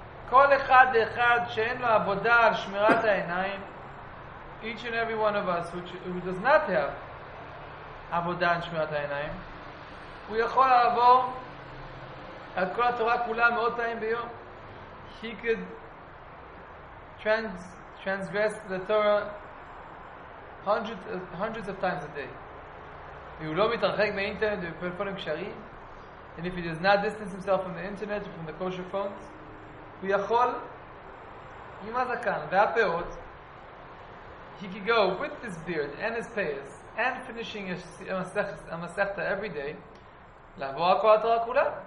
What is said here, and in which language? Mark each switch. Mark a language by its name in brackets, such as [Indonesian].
[Hebrew] כל אחד ואחד שאין לו עבודה על שמירת העיניים, [English] each and every one of us who does not have [Hebrew] עבודה על שמירת העיניים, הוא יכול לעבור על כל התורה כולה מאות פעמים ביום. [English] He could transgress the Torah hundreds of times a day. [Hebrew] והוא לא מתרחק מאינטרנט ופלאפונים קשרים. [English] And if he does not distance himself from the internet or from the kosher phones, [Hebrew] הוא יכול עם הזקן והפאות, [English] he could go with his beard and his payas and finishing a masechta every day, [Hebrew] לעבור על כל התורה כולה,